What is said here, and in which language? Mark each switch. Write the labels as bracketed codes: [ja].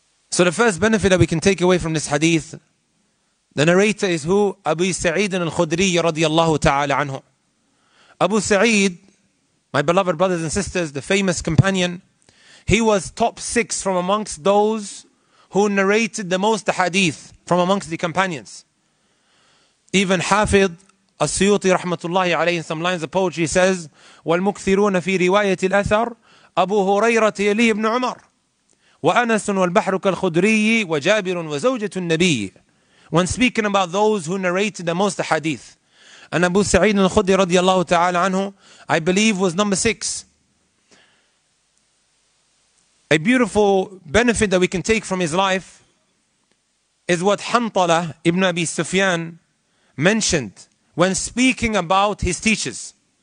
[en] So the first benefit that we can take away from this hadith, the narrator is who? Abu Sa'id al-Khudri radiallahu ta'ala anhu. Abu Sa'id, my beloved brothers and sisters, the famous companion, he was top six from amongst those who narrated the most hadith from amongst the companions. Even Hafidh As-Suyuti rahmatullahi alayhi, some lines of poetry says, [ar] وَالْمُكْثِرُونَ فِي رِوَايَةِ الْأَثَرِ أَبُو هُرَيْرَةِ يَلِيهِ بْنُ عُمَرِ وَأَنَسٌ وَالْبَحْرُ كَالْخُدْرِيِّ وَجَابِرٌ وَزَوْجَةُ النَّبِيِّ. [en] When speaking about those who narrated the most hadith, and Abu Sa'id al-Khudri radiallahu ta'ala anhu, I believe was number six. A beautiful benefit that we can take from his life is what Hantala ibn Abi Sufyan mentioned when speaking about his teachers.